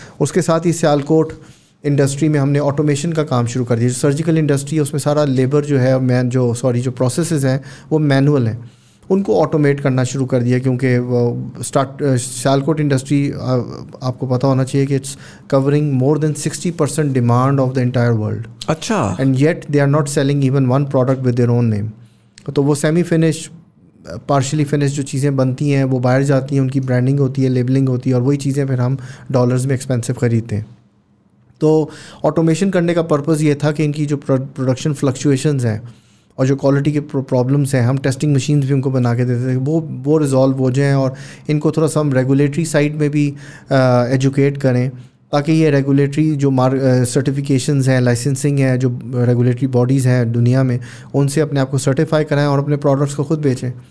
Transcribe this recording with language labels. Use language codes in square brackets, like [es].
[ur] اس کے ساتھ ہی سیالکوٹ انڈسٹری میں ہم نے آٹومیشن کا کام شروع کر دیا. سرجیکل انڈسٹری ہے اس میں سارا لیبر جو ہے مین جو سوری جو پروسیسز ہیں وہ مینول ہیں ان کو آٹومیٹ کرنا شروع کر دیا کیونکہ سیالکوٹ انڈسٹری آپ کو پتہ ہونا چاہیے کہ [en] It's covering more than 60% demand of the entire world. [ur] اچھا [en] And yet they are not selling even one product with their own name. [ur] تو وہ سیمی فنش پارشلی فنش جو چیزیں بنتی ہیں وہ باہر جاتی ہیں ان کی برانڈنگ ہوتی ہے لیبلنگ ہوتی ہے اور وہی چیزیں پھر ہم ڈالرز میں ایکسپینسو خریدتے ہیں. تو آٹومیشن کرنے کا پرپز یہ تھا کہ ان کی جو پروڈکشن فلکچویشنز ہیں اور جو کوالٹی کے پرابلمس ہیں ہم ٹیسٹنگ مشینز بھی ان کو بنا کے دیتے تھے وہ ریزالو ہو جائیں اور ان کو تھوڑا سا ہم ریگولیٹری سائڈ میں بھی ایجوکیٹ کریں تاکہ یہ ریگولیٹری جو سرٹیفیکیشنز ہیں لائسنسنگ ہیں جو ریگولیٹری باڈیز ہیں دنیا میں ان سے اپنے آپ کو سرٹیفائی کرائیں اور اپنے پروڈکٹس کو خود بیچیں.